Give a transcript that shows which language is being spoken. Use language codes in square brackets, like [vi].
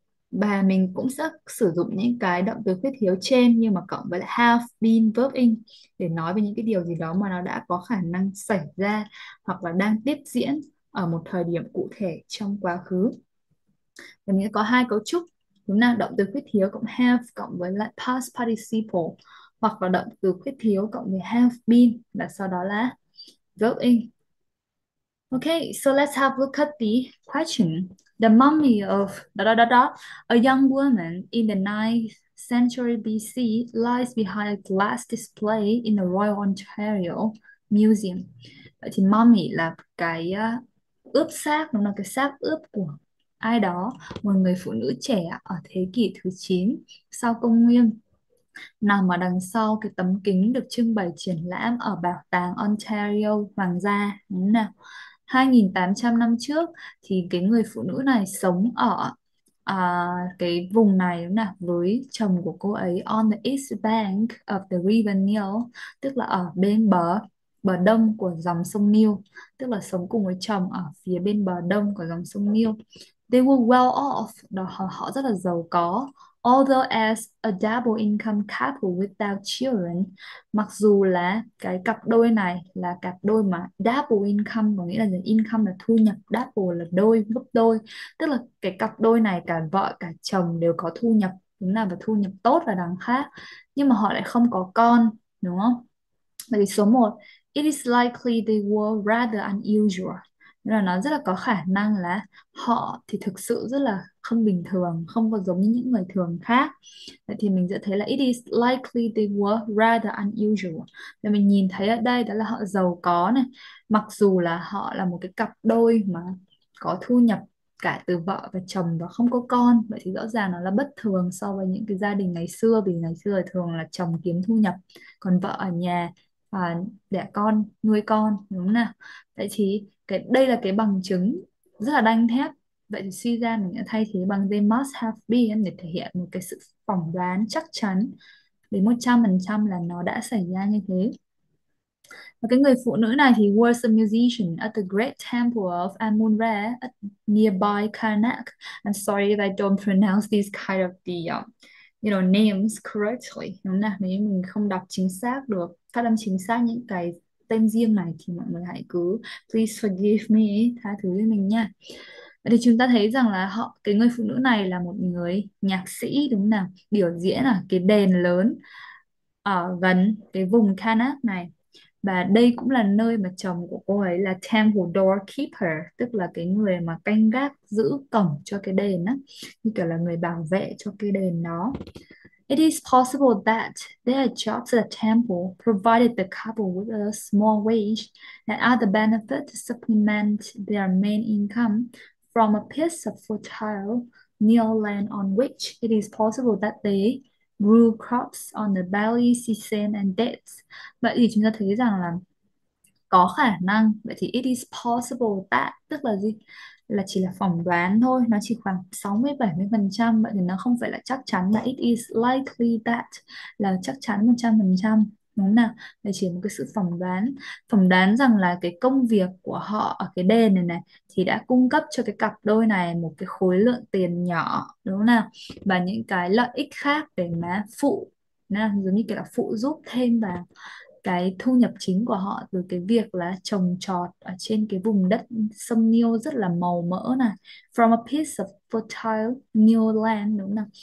[vi] Và mình cũng sẽ sử dụng những cái động từ khuyết thiếu trên nhưng mà cộng với have been verb in để nói về những cái điều gì đó mà nó đã có khả năng xảy ra hoặc là đang tiếp diễn ở một thời điểm cụ thể trong quá khứ. Và mình có 2 cấu trúc, đúng là động từ khuyết thiếu cộng have cộng với lại past participle, hoặc là động từ khuyết thiếu cộng với have been và sau đó là verb in. [en] Okay, so let's have a look at the question. The mummy of a young woman in the 9th century BC lies behind a glass display in the Royal Ontario Museum. [vi] Vậy thì mummy là cái ướp xác, đúng là cái xác ướp của ai đó, một người phụ nữ trẻ ở thế kỷ thứ 9 sau công nguyên, nằm ở đằng sau cái tấm kính được trưng bày triển lãm ở Bảo tàng Ontario Hoàng gia. Đúng nào? 2.800 năm trước thì cái người phụ nữ này sống ở cái vùng này đúng nào, với chồng của cô ấy [en] on the east bank of the River Nile, [vi] tức là ở bên bờ bờ đông của dòng sông Nile, tức là sống cùng với chồng ở phía bên bờ đông của dòng sông Nile. [en] They were well off, [vi] họ rất là giàu có. [en] Although as a double income couple without children, [vi] mặc dù là cái cặp đôi này là cặp đôi mà double income, có nghĩa là income là thu nhập, double là đôi, gấp đôi, tức là cái cặp đôi này cả vợ cả chồng đều có thu nhập, đúng là và thu nhập tốt và đằng khác, nhưng mà họ lại không có con, đúng không? Vậy số 1, [en] it is likely they were rather unusual. [vi] Nên là nó rất là có khả năng là họ thì thực sự rất là không bình thường, không có giống như những người thường khác. Vậy thì mình sẽ thấy là [en] it is likely they were rather unusual. [vi] Và mình nhìn thấy ở đây đó là họ giàu có này. Mặc dù là họ là một cái cặp đôi mà có thu nhập cả từ vợ và chồng và không có con. Vậy thì rõ ràng nó là bất thường so với những cái gia đình ngày xưa. Vì ngày xưa thường là chồng kiếm thu nhập, còn vợ ở nhà và đẻ con, nuôi con, đúng không nào? Vậy thì cái đây là cái bằng chứng rất là đanh thép. Vậy thì suy ra mình đã thay thế bằng they must have been để thể hiện một cái sự phỏng đoán chắc chắn đến 100% là nó đã xảy ra như thế. Và cái người phụ nữ này thì [en] was a musician at the great temple of Amun-Re at nearby Karnak. I'm sorry if I don't pronounce these kind of the names correctly. [vi] Đúng nào? Nếu mình không đọc chính xác được, phát âm chính xác những cái tên riêng này thì mọi người hãy cứ [en] please forgive me, [vi] tha thứ với mình nha. Thì chúng ta thấy rằng là họ, cái người phụ nữ này là một người nhạc sĩ, đúng nào, biểu diễn ở cái đền lớn ở gần cái vùng Karnak này, và đây cũng là nơi mà chồng của cô ấy là [en] temple doorkeeper, [vi] tức là cái người mà canh gác giữ cổng cho cái đền á, như kiểu là người bảo vệ cho cái đền đó. [en] It is possible that their jobs at the temple provided the couple with a small wage and other benefits to supplement their main income from a piece of fertile Nile land on which it is possible that they grew crops on the barley, sesame and dates. [vi] Vậy thì chúng ta thấy rằng là có khả năng, vậy thì [en] it is possible that, [vi] tức là gì? Là chỉ là phỏng đoán thôi, nó chỉ khoảng 60-70%, vậy thì nó không phải là chắc chắn, là [en] it is likely that, [vi] là chắc chắn 100%. Đúng nào, đây chỉ là một cái sự phỏng đoán rằng là cái công việc của họ ở cái đền này này thì đã cung cấp cho cái cặp đôi này một cái khối lượng tiền nhỏ, đúng nào, và những cái lợi ích khác để mà phụ, nào, giống như kiểu là phụ giúp thêm vào cái thu nhập chính của họ từ cái việc là trồng trọt ở trên cái vùng đất sông Nil rất là màu mỡ này, [en] from a piece of fertile Nil land, [vi] đúng không?